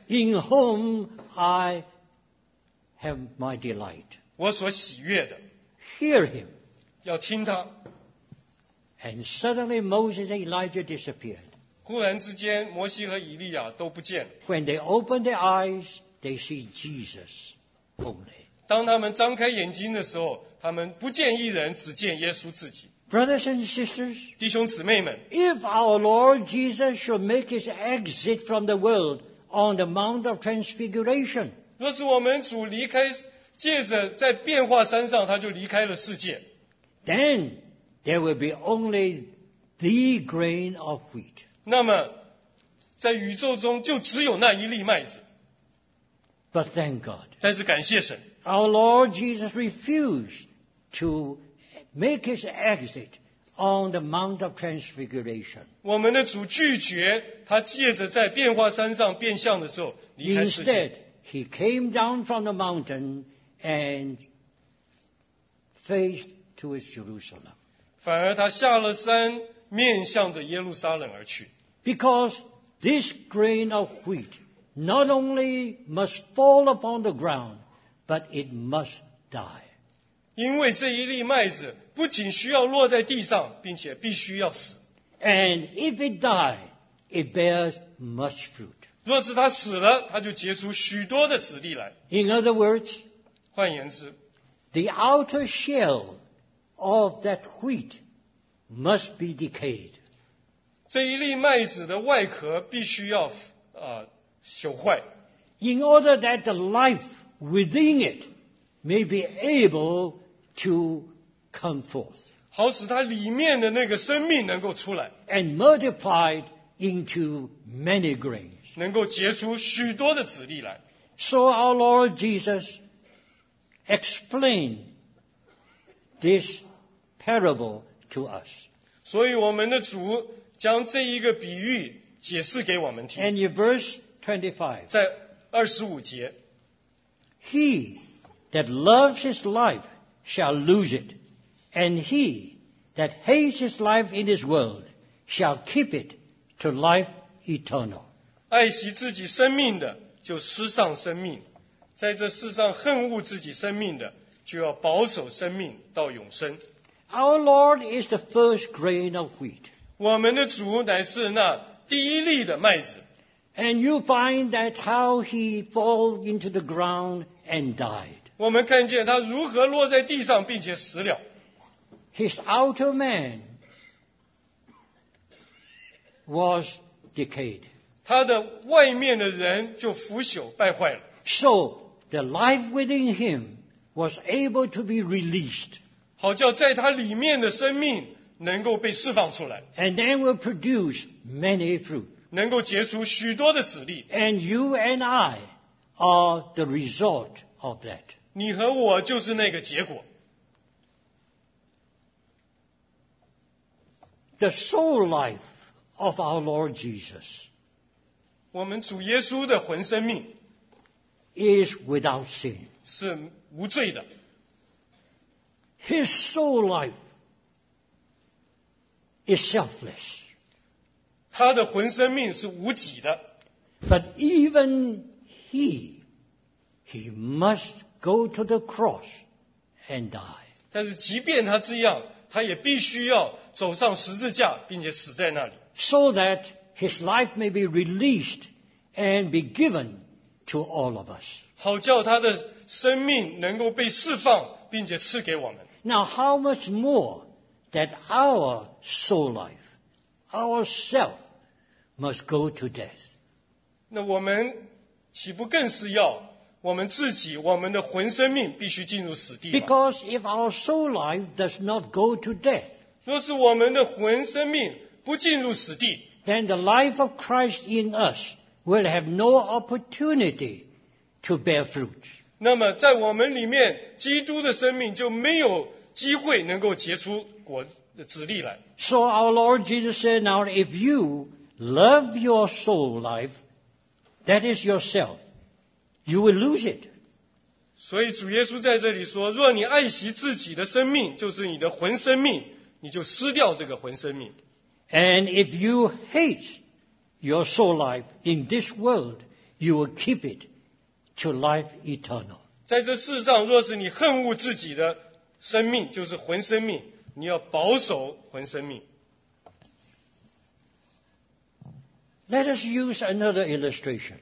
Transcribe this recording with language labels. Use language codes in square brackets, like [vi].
[en] In whom I have my delight. [zh] 我所喜悦的。 [en] Hear him. [zh] 要听他。 [en] And suddenly Moses and Elijah disappeared. [zh] 忽然之间，摩西和以利亚都不见了。 [en] When they opened their eyes, they see Jesus only. [zh] 当他们张开眼睛的时候，他们不见一人，只见耶稣自己。 [en] Brothers and sisters, [zh] 弟兄姊妹们 [en] ，If our Lord Jesus should make his exit from the world on the Mount of Transfiguration, [zh] 若是我们主离开，借着在变化山上，他就离开了世界。 [en] Then there will be only the grain of wheat. [zh] 那么，在宇宙中就只有那一粒麦子。 [en] But thank God. [zh] 但是感谢神。 [en] Our Lord Jesus refused to make his exit on the Mount of Transfiguration. [zh] 我们的主拒绝他借着在变化山上变相的时候离开世界。 [en] Instead, he came down from the mountain and faced towards Jerusalem. [zh] 反而他下了山，面向着耶路撒冷而去。 [en] Because this grain of wheat not only must fall upon the ground. But it must die. [zh] 因为这一粒麦子不仅需要落在地上，并且必须要死。 [en] And if it die, it bears much fruit. [zh] 若是它死了，它就结出许多的籽粒来。 [en] In other words, [zh] 换言之 [en] the outer shell of that wheat must be decayed. [zh] 这一粒麦子的外壳必须要朽坏。 [en] In order that the lifeWithin it may be able to come forth. [zh] 好使它里面的那个生命能够出来。 [en] And multiplied into many grains. [zh] 能够结出许多的籽粒来。 [en] So our Lord Jesus explained this parable to us. [zh] 所以我们的主将这一个比喻解释给我们听。 [en] And in verse 25. [zh] 在二十五节。 [en] He that loves his life shall lose it, and he that hates his life in this world shall keep it to life eternal. [zh] 爱惜自己生命的就失丧生命，在这世上恨恶自己生命的就要保守生命到永生。 [en] Our Lord is the first grain of wheat. [zh] 我们的主乃是那第一粒的麦子。 [en] And you find that how he falls into the ground and died. [zh] 我们看见他如何落在地上并且死了。 [en] His outer man was decayed. [zh] 他的外面的人就腐朽败坏了。 [en] So the life within him was able to be released. [zh] 好叫在他里面的生命能够被释放出来。 [en] And then will produce many fruit. [zh] 能够结出许多的籽粒。 [en] And you and I are the result of that. [zh] 你和我就是那个结果。 [en] The soul life of our Lord Jesus. [zh] 我们主耶稣的魂生命 [en] is without sin. [zh] 是无罪的。 [en] His soul life is selfless. [zh] 他的魂生命是无己的。 [en] But even he must go to the cross and die. [zh] 但是即便他这样，他也必须要走上十字架，并且死在那里。 [en] So that his life may be released and be given to all of us. [zh] 好叫他的生命能够被释放，并且赐给我们。 [en] Now how much more that our soul life, ourselfMust go to death. [zh] 那我们岂不更是要我们自己我们的魂生命必须进入死地。 [en] Because if our soul life does not go to death, [zh] 若是我们的魂生命不进入死地， [en] then the life of Christ in us will have no opportunity to bear fruit. [zh] 那么在我们里面基督的生命就没有机会能够结出果子粒来。 [en] So our Lord Jesus said, now if you love your soul life, that is yourself,You will lose it. [zh] 所以主耶稣在这里说，若你爱惜自己的生命，就是你的魂生命，你就失掉这个魂生命。 [en] And if you hate your soul life in this world, you will keep it to life eternal. [zh] 在这世上，若是你恨恶自己的生命，就是魂生命，你要保守魂生命。 [en] Let us use another illustration.